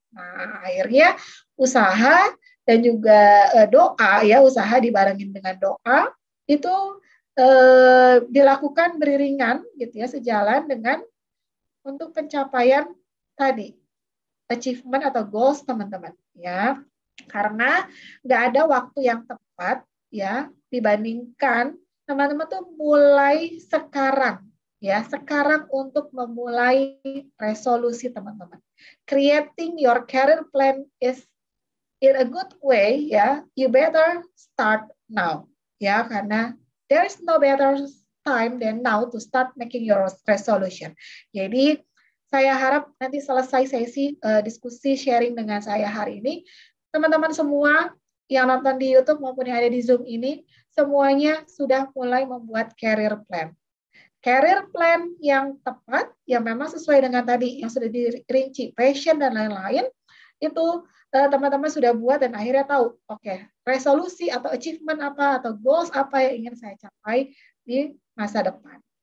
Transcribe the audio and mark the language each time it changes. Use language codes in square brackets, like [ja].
[id] Nah, akhirnya usaha dan juga doa ya, usaha dibarengin dengan doa itu dilakukan beriringan gitu ya, sejalan dengan untuk pencapaian tadi achievement atau goals teman-teman ya. Karena nggak ada waktu yang tepat ya, dibandingkan teman-teman tuh mulai sekarang ya, sekarang untuk memulai resolusi teman-teman. [en] Creating your career plan is in a good way ya, you better start now ya, karena there is no better time than now to start making your resolution. [id] Jadi saya harap nanti selesai sesi diskusi sharing dengan saya hari ini, teman-teman semua yang nonton di YouTube maupun yang ada di Zoom ini, semuanya sudah mulai membuat career plan. Career plan yang tepat, yang memang sesuai dengan tadi, yang sudah dirinci, passion dan lain-lain, itu teman-teman sudah buat dan akhirnya tahu, okay, resolusi atau achievement apa, atau goals apa yang ingin saya capai di masa depan.